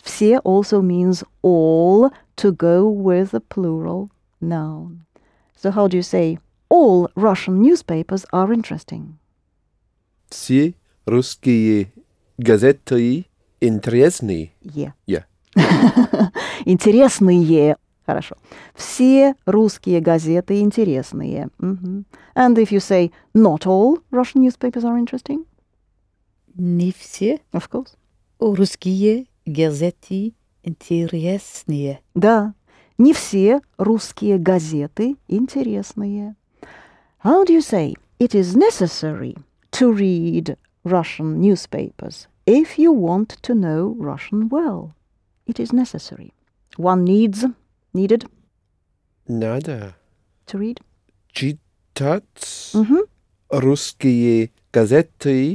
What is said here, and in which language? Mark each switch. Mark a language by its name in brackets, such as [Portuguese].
[English] Все also means all to go with a plural noun. So how do you say all Russian newspapers are interesting? [Russian] Все русские газеты интересны. Yeah. Интересные. Хорошо. Все русские газеты интересные. [English] And if you say not all Russian newspapers are interesting? [Russian] Не все [English] Of course. [Russian] русские газеты интереснее. Да. Не все русские газеты интересные. [English] How do you say it is necessary to read Russian newspapers if you want to know Russian well? It is necessary. One needs, needed [Russian] Надо [English] to read. [Russian] читать русские газеты.